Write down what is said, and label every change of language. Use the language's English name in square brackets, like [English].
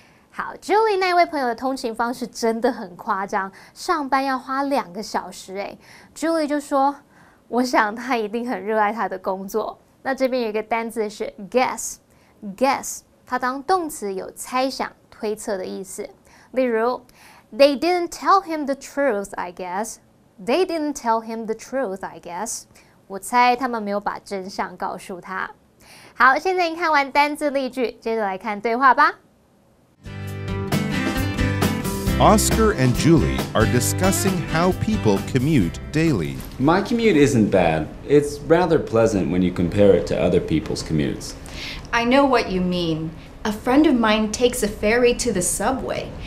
[Chinese] 好 ,Julie 那位朋友的通勤方式真的很夸张，上班要花2个小时耶。 Julie 就说，我想他一定很热爱他的工作。那这边有一个单字是 guess, 它当动词有猜想、推测的意思。例如 [English] ,They didn't tell him the truth, I guess. They didn't tell him the truth, I guess. [Chinese] 我猜他们没有把真相告诉他。好，现在你看完单字例句，接着来看对话吧。 [English] Oscar and Julie are discussing how people commute daily. My commute isn't bad. It's rather pleasant when you compare it to other people's commutes. I know what you mean. A friend of mine takes a ferry to the subway.